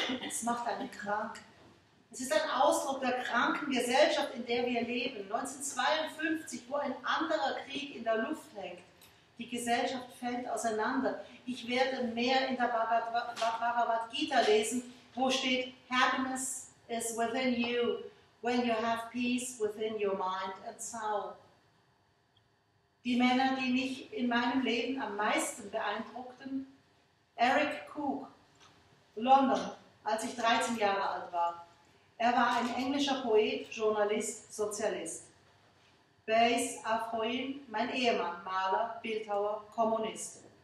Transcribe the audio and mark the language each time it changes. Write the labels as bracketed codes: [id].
[de] Es macht einen krank. Es ist ein Ausdruck der kranken Gesellschaft, in der wir leben. 1952, wo ein anderer Krieg in der Luft hängt. Die Gesellschaft fällt auseinander. Ich werde mehr in der Bhagavad Gita lesen, wo steht, [en] Happiness is within you. When you have peace within your mind and soul. [de] Die Männer, die mich in meinem Leben am meisten beeindruckten, Eric Cook, London, als ich 13 Jahre alt war. Er war ein englischer Poet, Journalist, Sozialist. Beyes Afroin, mein Ehemann, Maler, Bildhauer, Kommunist.